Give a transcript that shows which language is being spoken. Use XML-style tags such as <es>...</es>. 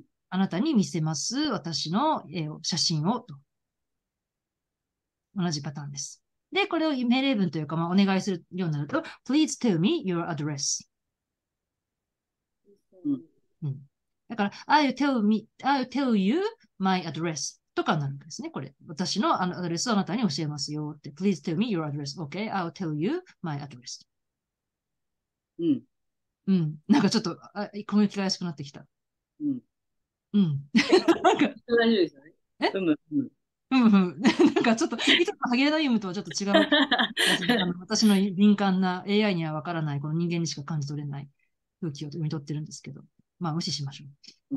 <ja>あなたに見せます、私の写真をと。同じパターンです。で、これを命令文というか、まあ、お願いするようになると、</ja> <en>Please tell me your address。</en> <ja>だから、</ja> <en>I'll tell you my address</en> <ja>とかになるんですね、これ。私のアドレスをあなたに教えますよって。</ja> <en>Please tell me your address. Okay, I'll tell you my address。</en> <ja>なんかちょっと、コミュニケーションが怪しくなってきた。なんか、大丈夫ですよね。なんかちょっと、いつもハゲドイムとはちょっと違う感じで、私の敏感な AI にはわからない、この人間にしか感じ取れない空気を読み取ってるんですけど、まあ無視しましょう。</ja>